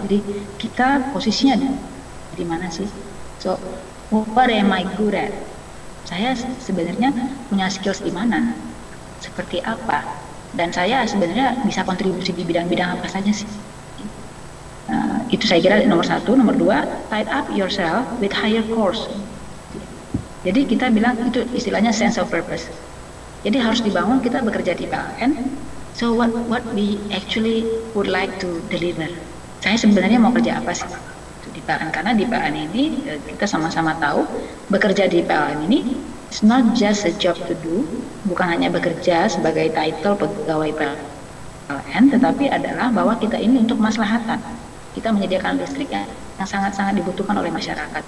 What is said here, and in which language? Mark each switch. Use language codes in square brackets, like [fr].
[id] Jadi kita posisinya di mana sih? [en] So, what am I good at? [id] Saya sebenarnya punya skills di mana? Seperti apa? Dan saya sebenarnya bisa kontribusi di bidang-bidang apa saja sih? Itu saya kira nomor satu. Nomor dua, [en] tied up yourself with higher course. [id] Jadi kita bilang itu istilahnya [en] sense of purpose. [id] Jadi harus dibangun kita bekerja di PLN. [en] So what we actually would like to deliver? [id] Saya sebenarnya mau kerja apa sih di PLN? Karena di PLN ini kita sama-sama tahu bekerja di PLN ini [en] it's not just a job to do, [id] bukan hanya bekerja sebagai title pegawai PLN, tetapi adalah bahwa kita ini untuk maslahatan. Kita menyediakan listrik yang sangat-sangat dibutuhkan oleh masyarakat.